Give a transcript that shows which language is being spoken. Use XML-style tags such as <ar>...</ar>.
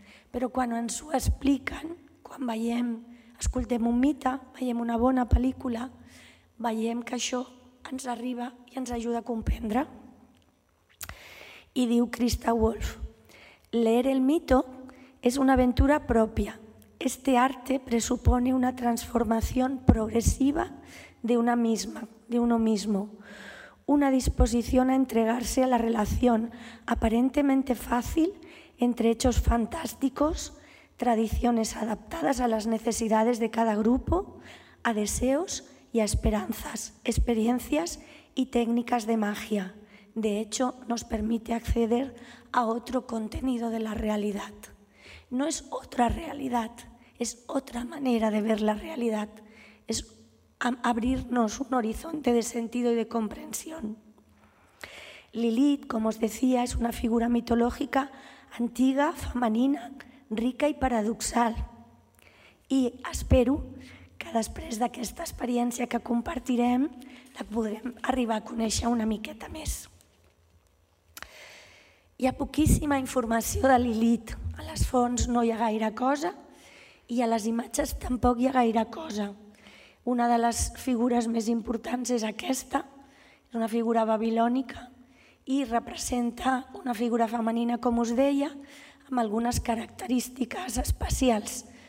<ca>Però quan ens ho expliquen, quan veiem, escoltem un mite, veiem una bona pel·lícula, veiem que això ens arriba i ens ajuda a comprendre. I diu Christa Wolf,</ca> <es>leer el mito</es> <ca>és una aventura pròpia.</ca> <es>Este arte presupone una transformación progresiva de una misma, de uno mismo, una disposición a entregarse a la relación aparentemente fácil entre hechos fantásticos, tradiciones adaptadas a las necesidades de cada grupo, a deseos y a esperanzas, experiencias y técnicas de magia. De hecho, nos permite acceder a otro contenido de la realidad. No es otra realidad. Es otra manera de ver la realidad, es abrirnos un horizonte de sentido y de comprensión. Lilith, como os decía, es una figura mitológica antiga, femenina, rica y paradoxal. Y espero que</es> <ca>després d'aquesta experiència que compartirem la podrem arribar a conèixer una miqueta més. Hi ha poquíssima informació de Lilith. A les fonts no hi ha gaire cosa, I a les imatges tampoc hi ha gaire cosa. Una de les figures més importants és aquesta, és una figura babilònica i representa una figura femenina, com us deia, amb algunes característiques especials.</ca>